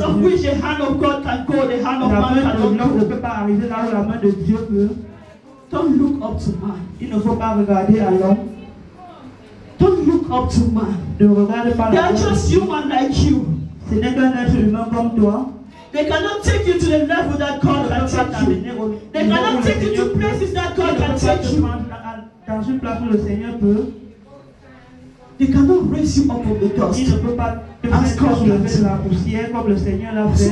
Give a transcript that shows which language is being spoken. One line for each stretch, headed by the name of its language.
English: The length of which the hand of God can go, the hand of man cannot go.
French: La main de Dieu ne peut pas arriver là où la main de Dieu peut.
English: Don't look up to man.
French: Il ne faut pas regarder à l'homme.
English: Don't look up to man. They are just human like you. They cannot take you to the level that God can take you. They cannot take you to places that God can take you.
French: Dans une place où le Seigneur peut.
English: They cannot raise you up from the dust.
French: Il ne peut pas te faire lever la poussière comme le Seigneur l'a fait.